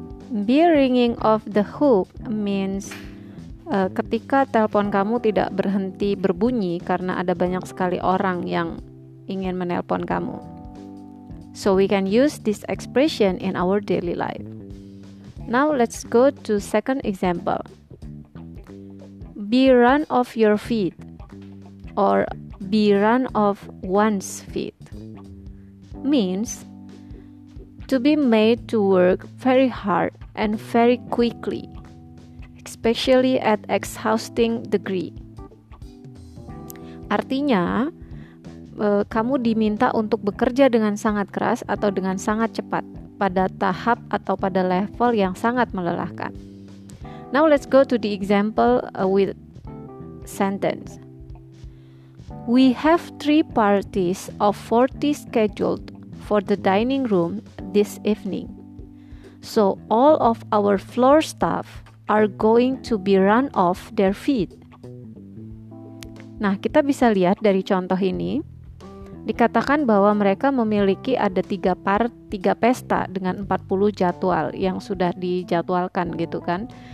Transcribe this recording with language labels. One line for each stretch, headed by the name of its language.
English: Be ringing off the hook means
Indonesian: ketika telepon kamu tidak berhenti berbunyi karena ada banyak sekali orang yang ingin menelpon kamu.
English: So we can use this expression in our daily life. Now let's go to second example. Be run off your feet or be run off one's feet means to be made to work very hard and very quickly, especially at exhausting degree.
Indonesian: Artinya, kamu diminta untuk bekerja dengan sangat keras atau dengan sangat cepat pada tahap atau pada level yang sangat melelahkan.
English: Now let's go to the example with sentence. We have 3 parties of 40 scheduled for the dining room this evening. So all of our floor staff are going to be run off their feet.
Indonesian: Nah, kita bisa lihat dari contoh ini, dikatakan bahwa mereka memiliki ada 3 pesta dengan 40 jadwal yang sudah dijadwalkan gitu kan.